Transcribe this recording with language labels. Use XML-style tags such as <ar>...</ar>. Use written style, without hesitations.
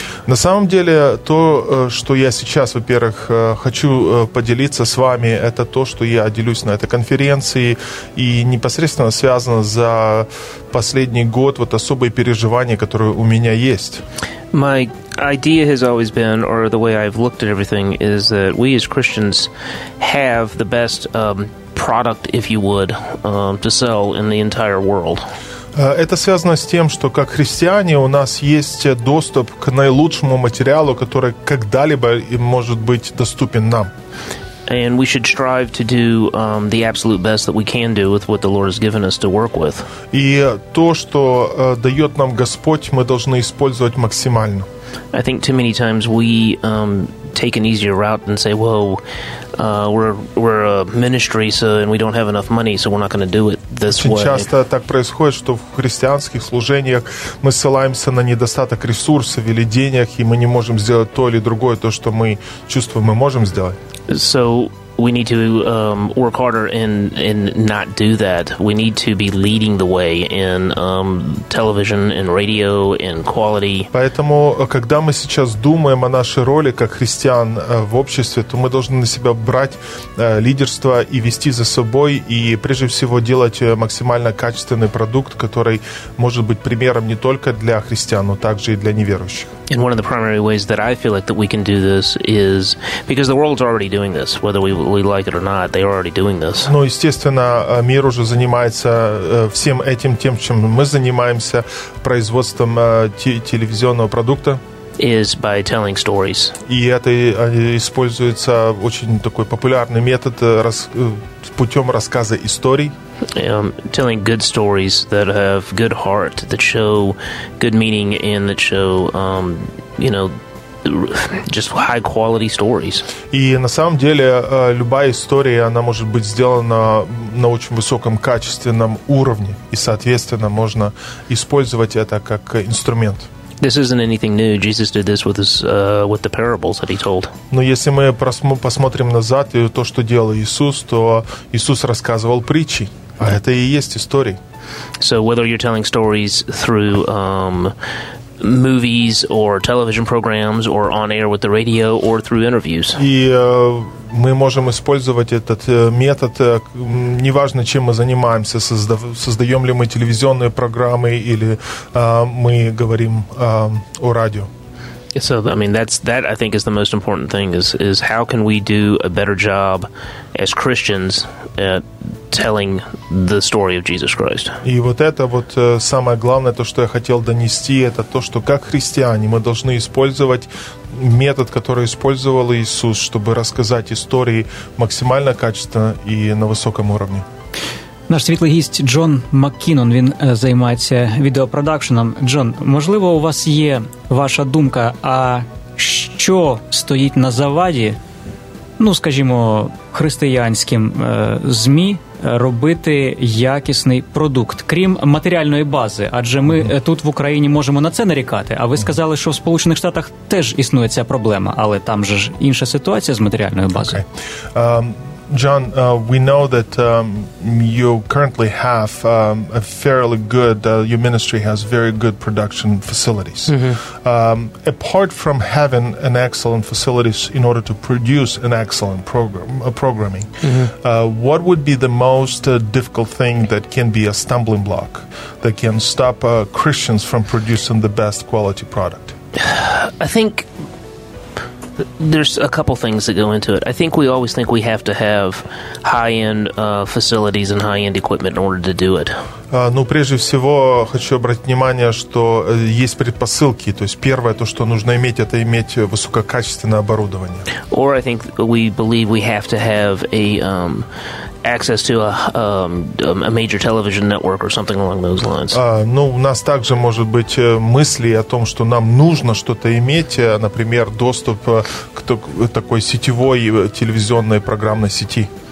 <ru>На самом деле, то, что я сейчас, во-первых, хочу поделиться с вами, это то, что я делюсь на этой конференции, и непосредственно связано за последний год вот особые переживания, которые у меня есть.</ru> <en>My idea has always been, or the way I've looked at everything, is that we as Christians have the best product, if you would, to sell in the entire world.</en> <ru>Это связано с тем, что как христиане у нас есть доступ к наилучшему материалу, который когда-либо может быть доступен нам.</ru> <en>And we should strive to do the absolute best that we can do with what the Lord has given us to work with.</en> <ru>И то, что дает нам Господь, мы должны использовать максимально.</ru> <en>I think too many times we take an easier route and say, well, we're a ministry, so and we don't have enough money, so we're not going to do it this way.</en> <ru>Часто так происходит, что в христианских служениях мы ссылаемся на недостаток ресурсов или денег, и мы не можем сделать то или другое, то, что мы чувствуем, мы можем сделать.</ru> <en>So we need to work harder and not do that. We need to be leading the way in television and radio and quality.</en> <ru>Поэтому когда мы сейчас думаем о нашей роли как христиан в обществе, то мы должны на себя брать лидерство и вести за собой и прежде всего делать максимально качественный продукт, который может быть примером не только для христиан, но также и для неверующих.</ru> <en>And one of the primary ways that I feel like that we can do this is because the world's already doing this, whether we like it or not, they're already doing this.</en> <ru>Ну, естественно, мир уже занимается всем этим тем, чем мы занимаемся, производством телевизионного продукта.</ru> <en>Is by telling stories.</en> <ru>И это используется очень такой популярный метод путем рассказа историй.</ru> <en>Telling good stories that have good heart, that show good meaning, and that show, you know, just high quality stories.</en> <ru>И на самом деле любая история, она может быть сделана на очень высоком качественном уровне, и соответственно можно использовать это как инструмент.</ru> <en>This isn't anything new. Jesus did this with his with the parables that he told.</en> <ru>Но если мы посмотрим назад и то, что делал Иисус, то Иисус рассказывал притчи, а это и есть истории.</ru> <en>So whether you're telling stories through movies or television programs or on air with the radio or through interviews.</en> <ru>И мы можем использовать этот метод, неважно, чем мы занимаемся, создаем ли мы телевизионные программы или мы говорим о радио.</ru> <en>So, I mean, that I think is the most important thing is how can we do a better job as Christians at telling the story of Jesus Christ.</en> <ru>И вот это вот самое главное, то, что я хотел донести, это то, что как христиане мы должны использовать метод, который использовал Иисус, чтобы рассказать истории максимально качественно и на высоком уровне.</ru> <uk>Наш світлий гість Джон Маккінон, він займається відеопродакшеном. Джон, можливо, у вас є ваша думка, а що стоїть на заваді, ну, скажімо, християнським ЗМІ робити якісний продукт, крім матеріальної бази? Адже ми тут в Україні можемо на це нарікати, а ви сказали, що в Сполучених Штатах теж існує ця проблема, але там же ж інша ситуація з матеріальною базою.</uk> <en>John, we know that you currently have a fairly good, your ministry has very good production facilities. Mm-hmm. Apart from having an excellent facilities in order to produce an excellent programming, mm-hmm. What would be the most difficult thing that can be a stumbling block that can stop Christians from producing the best quality product? I think there's a couple things that go into it. I think we always think we have to have high-end facilities and high-end equipment in order to do it.</en> <ru>Ну, прежде всего, хочу обратить внимание, что есть предпосылки. То есть первое, то, что нужно иметь, это иметь высококачественное оборудование.</ru> <en>Or I think we believe we have to have a access to a major television network or something along those lines.</en> <ru>Ну, у нас также может быть мысли о том, что нам нужно что-то иметь, например, доступ к такой сетевой телевизионной программной сети.</ru>